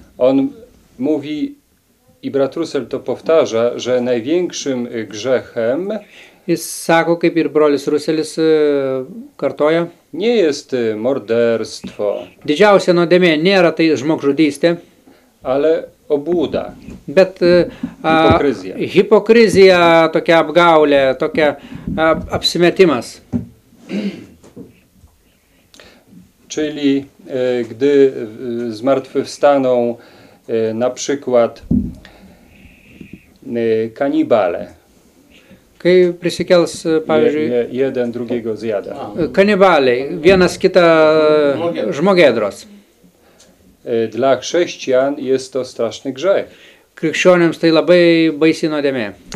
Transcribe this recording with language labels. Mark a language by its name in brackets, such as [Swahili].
[Polish] On mówi, i brat Rusel to powtarza, że największym grzechem... [Lithuanian] Jis sako, kaip ir brolis Ruselis kartoja. [Polish] Nie jest morderstwo. [Lithuanian] Didžiausia nuodėmė nėra tai žmogžudystė. [Polish] Ale obūda. [Lithuanian] Bet hipokrizija. Hipokrizija, tokia apgaulė, tokia apsimetimas. [Polish] Czyli gdy zmartwychwstaną na przykład kanibale. [Lithuanian] Kai prisikels, pavyzdžiui, [Polish] jeden drugiego zjada. [Lithuanian] Kanibalai, vienas kita žmogėdros. [Polish] Dla chrześcijan jest to straszny grzech. [Lithuanian] Krikščionims tai labai baisi nuodėmė.